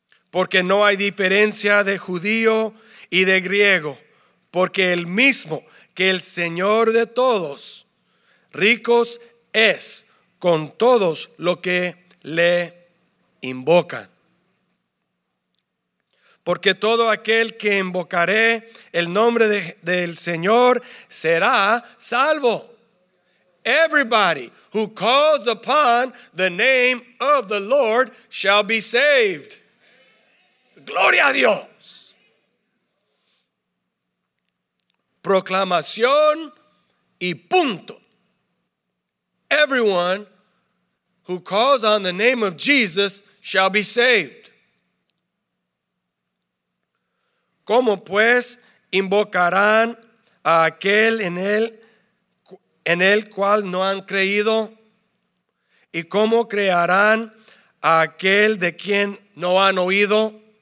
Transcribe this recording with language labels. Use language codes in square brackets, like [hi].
[es] Porque no hay diferencia de judío y de griego, porque el mismo que el Señor de todos, ricos es con todos los que le invocan. Porque todo aquel que invocare el nombre del Señor será salvo. [en] Everybody who calls upon the name of the Lord shall be saved. [es] Gloria a Dios. Proclamación y punto. [en] Everyone who calls on the name of Jesus shall be saved. [es] ¿Cómo pues invocarán a aquel en el cual no han creído? ¿Y cómo creerán a aquel de quien no han oído?